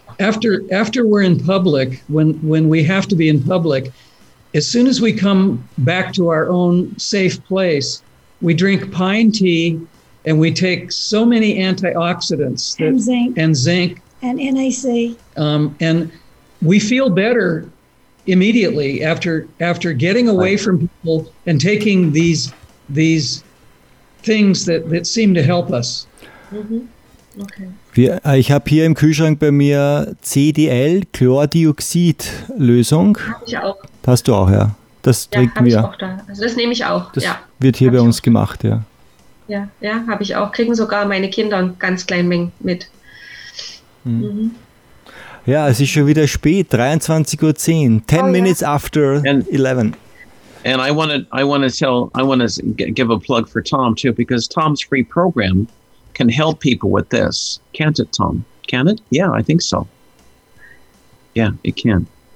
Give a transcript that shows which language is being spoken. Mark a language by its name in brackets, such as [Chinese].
[English] After we're in public, when we have to be in public, as soon as we come back to our own safe place, we drink pine tea and we take so many antioxidants. And zinc. And NAC. And we feel better immediately after getting away from people and taking these things that seem to help us. Okay. [German] Ich habe hier im Kühlschrank bei mir CDL, Chlordioxid-Lösung. Habe ich auch. Das hast du auch, ja. Das trinken wir. Ja, habe ich auch da. Also das nehme ich auch, das ja. wird hier hab bei uns auch. Gemacht, ja. Ja, habe ich auch. Kriegen sogar meine Kinder ganz klein mit. Ja, es ist schon wieder spät, 23.10 Uhr. [English] 10 minutes after 11. And I want to give a plug for Tom too, because Tom's free program can help people with this. Can't it, Tom? Can it? Yeah, I think so. Yeah, it can.